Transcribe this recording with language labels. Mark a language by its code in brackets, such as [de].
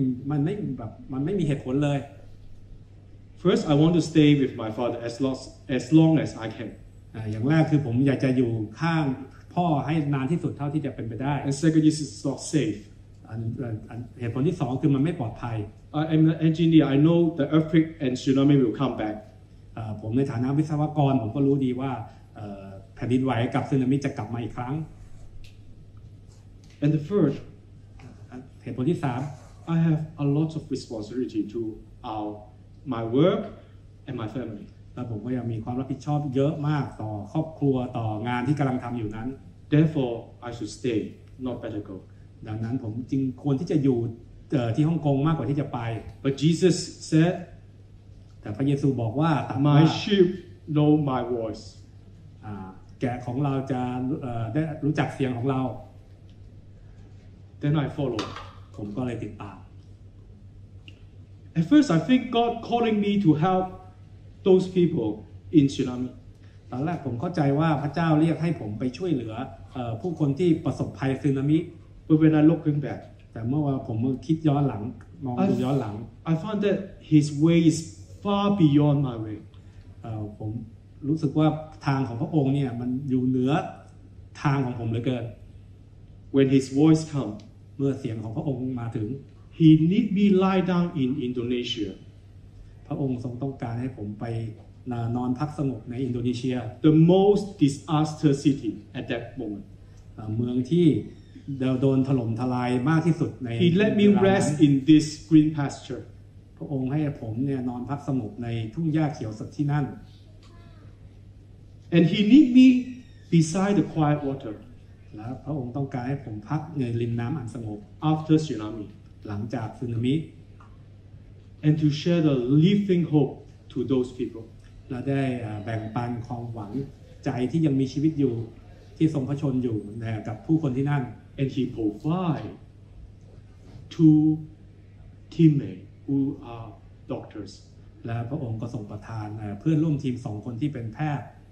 [th] มันไม่มีเหตุผลเลย [en] First I want to stay with my father as long as I can [th] อย่างแรกคือผมอยากจะอยู่ข้างพ่อให้นานที่สุดเท่าที่จะเป็นไปได้ [en] And second is it's not safe [th] อันเหตุผลที่สองคือมันไม่ปลอดภัย [en] I am an engineer I know the earthquake and tsunami will come back [th] ผมในฐานะวิศวกรผมก็รู้ดีว่าแผ่นดินไหวกับสึนามิจะกลับมาอีกครั้ง [en] And the third [th] เหตุผลที่สาม [en] I have a lot of responsibility to our my work and my family [th] แล้วผมก็ยังมีความรับผิดชอบเยอะมากต่อครอบครัวต่องานที่กำลังทำอยู่นั้น [en] Therefore I should stay not better go [th] ดังนั้นผมจึงควรที่จะอยู่ที่ฮ่องกงมากกว่าที่จะไป [en] But Jesus said [th] แต่พระเยซูบอกว่า [en] My sheep know my voice [th] แกะของเราจะได้รู้จักเสียงของเรา [en] Then I followed [th] ผมก็เลยติดตาม [en] At first I think God calling me to help those people in tsunami [th] ตอนแรกผมเข้าใจว่าพระเจ้าเรียกให้ผมไปช่วยเหลือผู้คนที่ประสบภัยสึนามิ เวลาลบขึ้นแบบ แต่เมื่อว่าผมคิดย้อนหลังมองดูย้อนหลัง [en] I found that his way is far beyond my way [th] ผมรู้สึกว่าทางของพระองค์เนี่ยมันอยู่เหนือทางของผมเหลือเกิน [en] When his voice come [th] เมื่อเสียงของพระองค์มาถึง [en] he need me lie down in Indonesia [th] พระองค์ทรงต้องการให้ผมไปนอนพักสงบในอินโดนีเซีย [en] the most disaster city at that moment [th] เมืองที่เราโดนถล่มทลายมากที่สุดใน [en] He let me rest in this green pasture [th] พระองค์ให้ผมเนี่ยนอนพักสงบในทุ่งหญ้าเขียวสดที่นั่น [en] And he need me beside the quiet water [th] แล้วพระองค์ต้องการให้ผมพักในริมน้ำอันสงบ [en] After tsunami [th] หลังจากสึนามิ [en] And to share the living hope to those people [th] เราได้แบ่งปันความหวังใจที่ยังมีชีวิตอยู่ที่ทรงพระชนอยู่กับผู้คนที่นั่น [en] and he provide two teammates who are doctors. [th] และพระองค์ก็ทรงประทานเพื่อนร่วมทีม2คนที่เป็นแพทย์